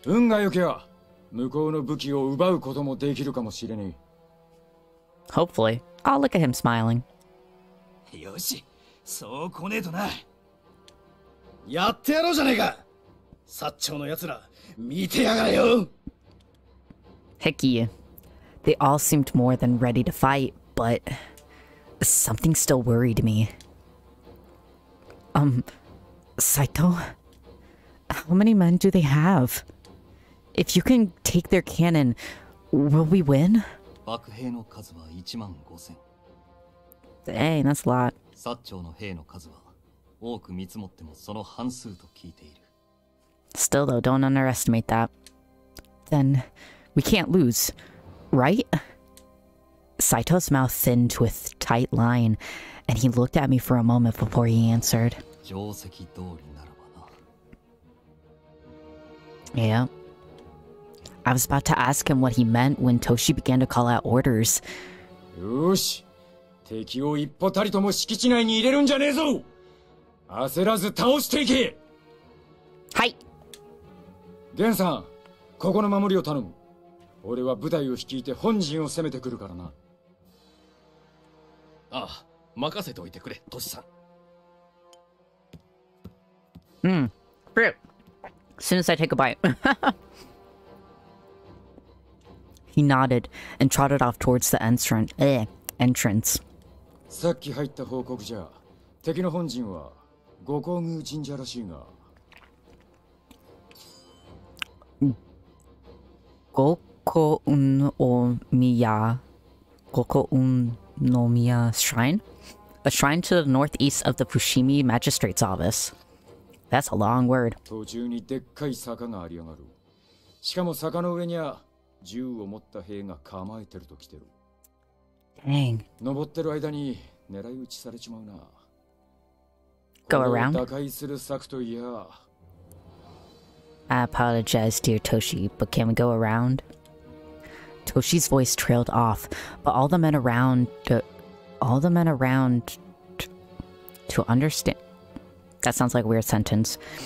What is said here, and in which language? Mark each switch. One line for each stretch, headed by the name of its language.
Japanese: 運が良けば向こうの武器を奪うこともできるかもしれねえ。
English: Hopefully. I'll look at him smiling.
Japanese: よし、そう来ねえとな。やってやろうじゃねえか!薩長の奴ら、見てやがれよ!
English: Hickey. They all seemed more than ready to fight, but... something still worried me. Saito? How many men do they have? If you can take their cannon, will we win?
Japanese: 幕兵の数は15,000。
English: Dang, that's a lot.
Japanese: 薩長の兵の数は 多く見積もってもその半数と聞いている。
English: Still though, don't underestimate that. Then, we can't lose, right? Saito's mouth thinned with tight line, and he looked at me for a moment before he answered.
Japanese: 定石通りならばな。
English: Yeah. I was about to ask him what he meant when Toshi began to call out orders.
Japanese: よし! 敵を一歩たりとも敷地内に入れるんじゃねえぞ。焦らず倒していけ。はい。源さん、ここの守りを頼む。俺は部隊を率いて本陣を攻めてくるからな。ああ、任せておいてくれ、トシさん。うん、フルー。
English: Soon as I take a bite. He nodded and trotted off towards the entrance.
Japanese: さっき入った報告じゃ、敵の本陣は五光宮神社らしいが。五光宮、五光宮 shrine?
English: A shrine to the northeast of the Fushimi Magistrate's office. That's a long word.
Japanese: 途中にでっかい坂がありやがる。しかも坂の上には銃を持った兵が構えてると来てる。
English: Dang.
Japanese: 登ってる間に狙い撃ちされちまうな。
English: Go around?
Japanese: 打開する策といや。
English: I apologize, dear Toshi, but can we go around? Toshi's voice trailed off, but all the men around... To understand... That sounds like a weird sentence.